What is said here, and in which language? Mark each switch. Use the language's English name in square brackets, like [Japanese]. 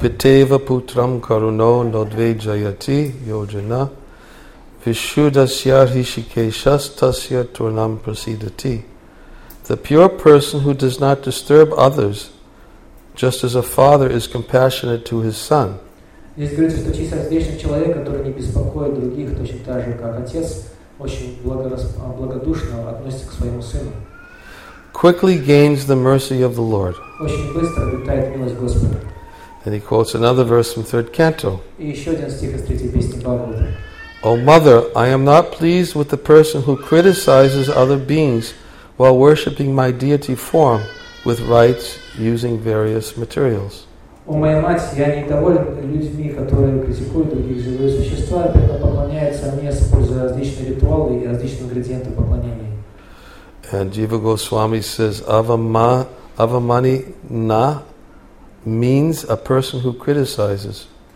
[Sanskrit] Питева путрам каруно нодвейджаяти йоджана вишудасья ришикешастасья турнам прасидати. [English] The pure person who does not disturb others, just as a father is compassionate to his son. [Russian] Здесь говорится, что чисто здесь человек, который не беспокоит других, точно так же, как отец, очень благодушно относится к своему сыну. [English] Quickly gains the mercy of the Lord. [Russian] Очень быстро обретает милость Господа. [English] And he quotes another verse from third canto. [Russian] И еще один стих из третьей песни Бхагавата. [English] O mother, I am not pleased with the person who criticizes other beings while worshipping my deity form with rites using various materials. [Russian] О моя мать, я недоволен людьми, которые критикуют других живых существ, а поклоняются мне, используя различные ритуалы и различные ингредиенты поклонения. [English] And Jiva Goswami says, avamani na means a person who criticizes.